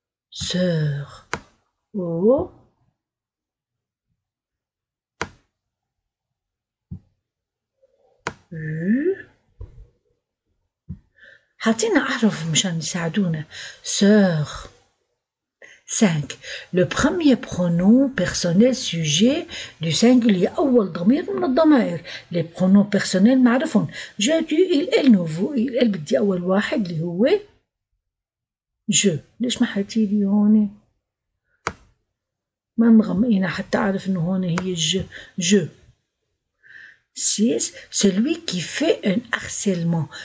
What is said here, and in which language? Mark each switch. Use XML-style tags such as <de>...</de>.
<fr>Sœur. O U.</fr> <ar>حاطينا أحرف مشان يساعدونا. سور. 5.</ar> <fr>Le premier pronom personnel sujet du singulier.</fr> <ar>أول ضمير من الضمائر.</ar> <fr>Le pronom personnel</fr> <ar>معرفون.</ar> <fr>Je, tu, il, elle, nous, vous. Il, elle</fr> <ar>بدي أول واحد اللي هو.</ar> <fr>Je.</fr> <ar>ليش ما حاطي لي هوني؟ ما مغمقين حتى أعرف إنه هوني هي je.</ar> <fr>Je. 6. Celui qui fait un harcèlement.</fr>